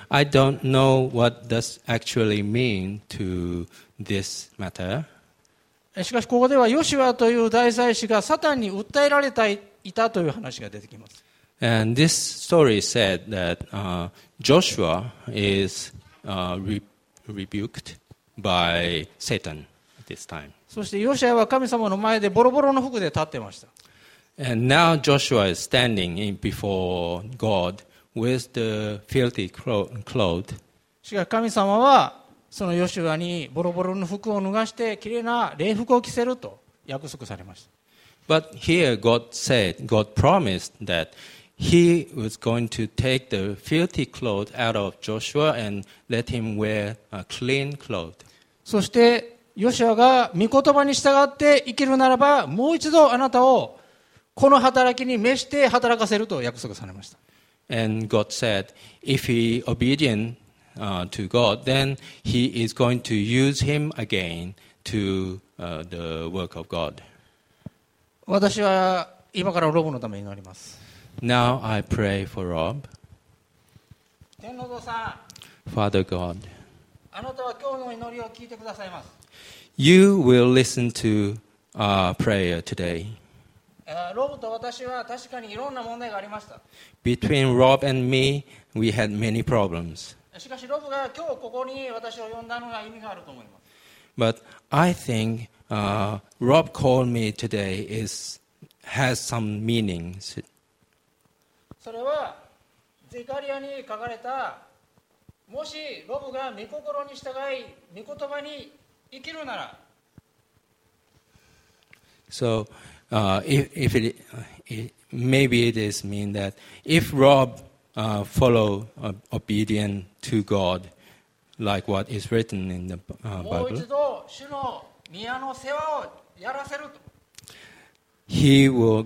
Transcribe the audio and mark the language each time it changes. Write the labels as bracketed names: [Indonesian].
[English] I don't know what does actually mean to this matter。 [Japanese] しかしここではヨシュアという大祭司がサタンに訴えられていたという話が出てきます。 [English] And this story said that Joshua is rebuked by Satan this time。 [Japanese] そしてヨシュアは神様の前でボロボロの服で立ってました。 [English] And now Joshua is standing in before God with the filthy clothes。 [Japanese] しかし神様はそのヨシュアにボロボロの服を脱がして綺麗な礼服を着せると約束されました。 [English] But here God said, God promised that He was going to take the filthy clothes out of Joshua and let him wear a clean cloth. [Japanese] そしてヨシュアが御言葉に従って生きるならば、もう一度あなたをこの働きに召して働かせると約束されました。 [English] And God said, if he obedient to God, then He is going to use him again to the work of God. [Japanese] 私は今からロブのために祈ります。 [English] Now I pray for Rob. [Japanese] 天の父さん、 [English] Father God, [Japanese] あなたは今日の祈りを聞いてくださいます。 [English] You will listen to our prayer today. [Japanese] ロブと私は確かにいろんな問題がありました。 [English] Between Rob and me, we had many problems. [Japanese] しかしロブが今日ここに私を呼んだのが意味があると思います。 [English] But I think Rob called me today has some meanings. [Japanese] それはゼカリアに書かれた、もしロブが御心に従い御言葉に生きるなら。 [English] So if maybe it is mean that if Rob follow obedient to God, like what is written in the Bible.